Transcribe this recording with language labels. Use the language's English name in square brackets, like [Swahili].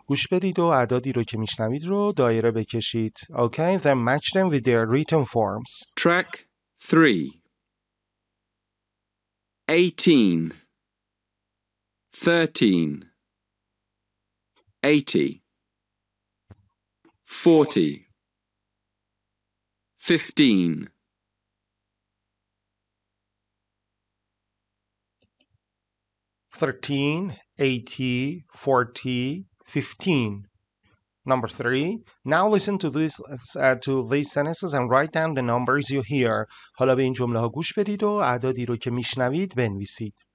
[Persian] گوش بدید و عدادی رو که میشنوید رو دایره بکشید. [English] Okay, then match them with their written forms. Track 3. 18. 13. 80. 40. 15. Thirteen, 80, 40, 15. Number 3. Now listen to these sentences and write down the numbers you hear. [Persian] حالا به این جمله ها گوش بدید و اعدادی رو که میشنوید بنویسید.